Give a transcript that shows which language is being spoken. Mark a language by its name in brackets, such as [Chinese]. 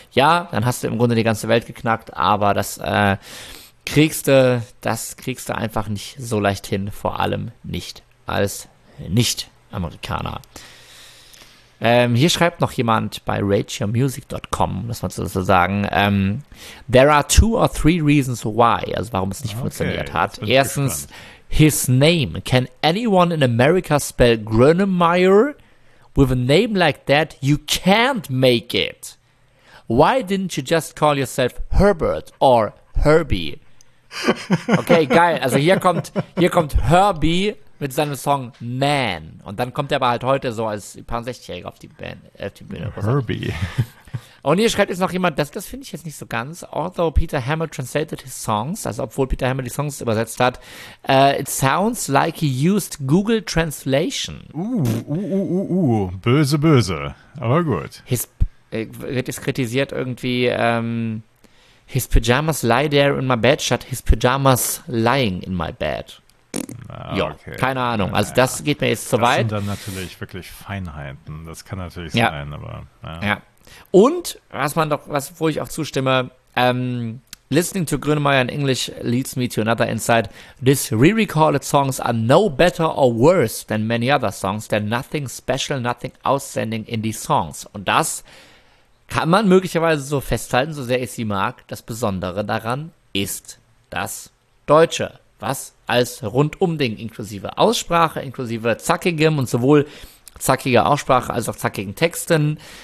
[German] Ja, dann hast du im Grunde die ganze Welt geknackt, aber das kriegst du einfach nicht so leicht hin, vor allem nicht als Nicht-Amerikaner. Hier schreibt noch jemand bei RateYourMusic.com, muss man so sagen, [English] there are two or three reasons why, [German] also warum es nicht funktioniert hat. [English] Erstens, his name. Can anyone in America spell Grönemeyer? With a name like that, you can't make it. Why didn't you just call yourself Herbert or Herbie? [German] Okay, geil. Also hier kommt Herbie mit seinem Song Man. Und dann kommt er aber halt heute so als 60-Jähriger auf die Bühne. Herbie. Und hier schreibt jetzt noch jemand, das finde ich jetzt nicht so ganz, [English] although Peter Hammer translated his songs, [German] also obwohl Peter Hammer die Songs übersetzt hat, [English] it sounds like he used Google Translation. [German] Böse, böse, aber gut. Wird es kritisiert irgendwie, [English] his pajamas lie there in my bed, statt his pajamas lying in my bed. [German] Ah, ja, okay. Keine Ahnung, also das geht mir jetzt zu weit. Das sind dann natürlich wirklich Feinheiten, das kann natürlich sein, aber ja. Und wo ich auch zustimme, [English] listening to Grönemeyer in English leads me to another insight. These re-recorded songs are no better or worse than many other songs. There's nothing special, nothing outstanding in these songs. [German] Und das kann man möglicherweise so festhalten, so sehr ich sie mag. Das Besondere daran ist das Deutsche, was als Rundumding inklusive Aussprache, inklusive zackigem und sowohl zackige Aussprache, also auch zackigen Texten.